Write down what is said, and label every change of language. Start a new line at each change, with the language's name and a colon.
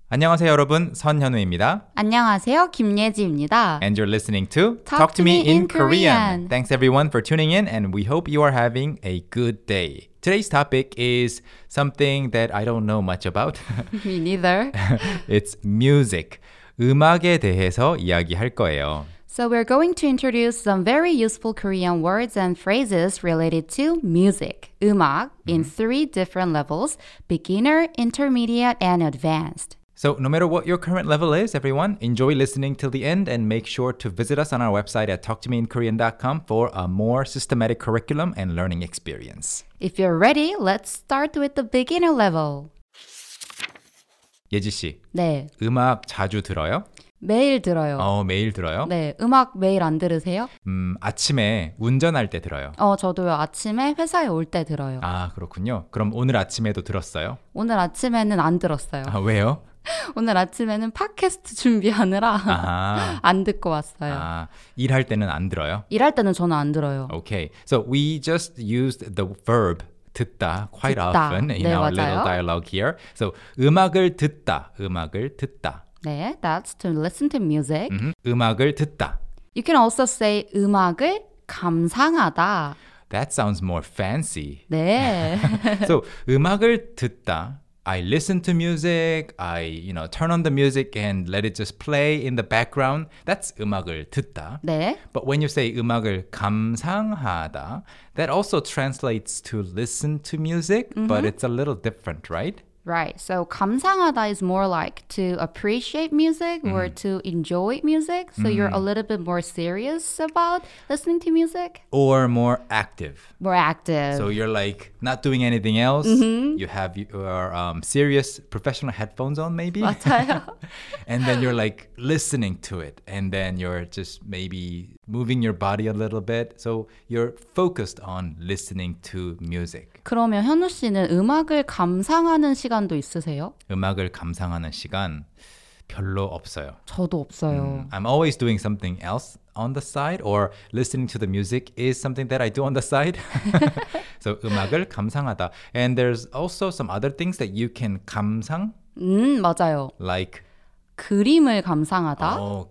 Korean: 안녕하세요 여러분, 선현우입니다. 안녕하세요, 김예지입니다.
English: And you're listening to Talk to Me in Korean. Thanks everyone for tuning in, and we hope you are having a good day. Today's topic is something that I don't know much about. Me neither. It's music.
Korean: 음악에 대해서 이야기할 거예요.
English: So we're going to introduce some very useful Korean words and phrases related to music, 음악, in three different levels, beginner, intermediate, and advanced. So no matter what your current level is, everyone, enjoy listening till the end and make sure to visit us on our website at talktomeinkorean.com for a more systematic curriculum and learning experience. If you're ready, let's start with the beginner level.
Korean: 예지 씨, 네. 음악 자주 들어요? 매일 들어요. 매일 들어요? 네, 음악 매일 안 들으세요? 아침에 운전할 때 들어요. 저도요. 아침에 회사에 올 때 들어요. 아, 그렇군요. 그럼 오늘 아침에도 들었어요? 오늘 아침에는 안 들었어요. 아, 왜요? 오늘 아침에는 팟캐스트 준비하느라 안 듣고 왔어요. 일할 때는 안 들어요? 일할 때는 저는 안 들어요.
English: Okay, so we just used the verb 듣다 quite
Korean: 듣다.
English: often in
Korean: 네,
English: our
Korean: 맞아요.
English: little dialogue here.
Korean: So 음악을 듣다, 음악을 듣다.
English: 네, that's to listen to music.
Korean: Mm-hmm. 음악을 듣다.
English: You can also say
Korean: 음악을 감상하다.
English: That sounds more fancy.
Korean: 네. So 음악을 듣다.
English: I listen to music, I, you know, turn on the music and let it just play in the background.
Korean: That's 음악을 듣다. 네.
English: But when you say
Korean: 음악을 감상하다,
English: that also translates to listen to music, mm-hmm. but it's a little different, right? Right. So 감상하다 is more like to appreciate music or to enjoy music. So you're a little bit more serious about listening to music. Or more active. More active. So you're like not doing anything else. Mm-hmm. You have your serious professional headphones on maybe.
Korean: 맞아요.
English: And then you're like listening to it. And then you're just maybe moving your body a little bit. So you're focused on listening to music.
Korean: 그러면 현우 씨는 음악을 감상하는 시간도 있으세요? 음악을 감상하는 시간 별로 없어요. 저도 없어요.
English: I'm always doing something else on the side, or listening to the music is something that I do on the side.
Korean: So 음악을 감상하다.
English: And there's also some other things that you can 감상?
Korean: 맞아요.
English: Like
Korean: 그림을 감상하다.